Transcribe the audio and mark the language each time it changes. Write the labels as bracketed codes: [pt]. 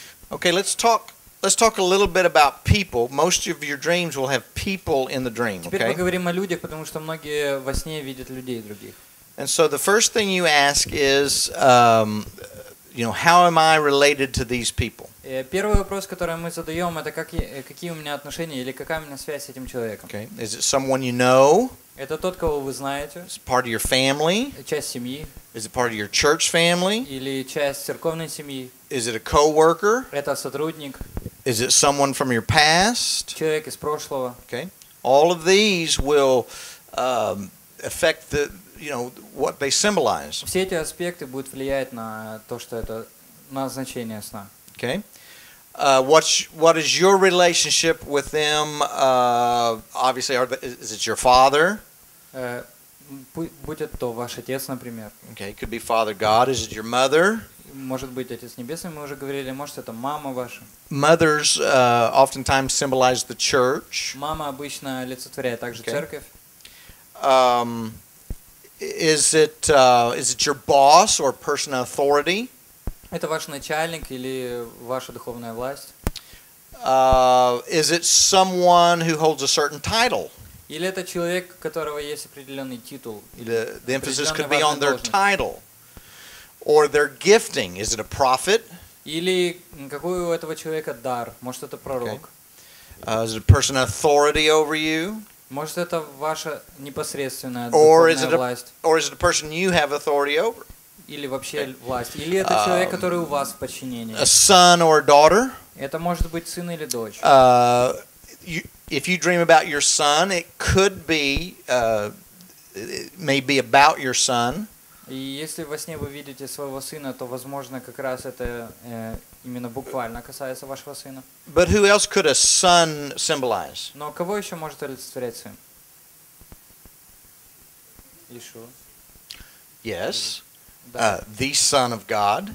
[en] Okay, let's talk a little bit about people. Most of your dreams will have people in the dream, okay? [ru] Теперь мы говорим о людях, потому что многие во сне видят людей других. [en] And so the first thing you ask is, how am I related to these people? [ru] Первый вопрос, который мы задаем, это какие у меня отношения или какая у меня связь с этим человеком? [en] Okay. Is it someone you know? [ru] Это тот, кого вы знаете? [en] Is it part of your family? [ru] Часть семьи? [en] Is it part of your church family? [ru] Или часть церковной семьи? [en] Is it a coworker? [ru] Это сотрудник? [en] Is it someone from your past? [ru] Человек из прошлого? [en] Okay. All of these will affect the, you know, what they symbolize. [ru] Все эти аспекты будут влиять на то, что это на значение сна. [en] Okay. What is your relationship with them? Obviously, is it your father? [ru] Будет то ваш отец, например. [en] Okay, it could be Father God. Is it your mother? [ru] Может быть, отец небесный. Мы уже говорили. Может, это мама ваша. [en] Mothers oftentimes symbolize the church. [ru] Мама обычно олицетворяет также церковь. [en] Is it your boss or person of authority? [ru] Это ваш начальник или ваша духовная власть? [en] Is it someone who holds a certain title? [ru] Или это человек, у которого есть определенный титул? [en] The emphasis could be on their title or their gifting. Is it a prophet? [ru] Или какой у этого человека дар? Может, это пророк? [en] Okay. Is it a person of authority over you? [ru] Может, это ваша непосредственная духовная власть? [en] Or is it a person you have authority over? [ru] Или вообще власть. Или это человек, который у вас в подчинении. [en] A son or a daughter. [ru] Это может быть сын или дочь. [en] If you dream about your son, it could be, it may be about your son. [ru] И если во сне вы видите своего сына, то, возможно, как раз это именно буквально касается вашего сына. [en] But who else could a son symbolize? [ru] Но кого еще может олицетворять сын? Ишу. [en] Yes. The Son of God.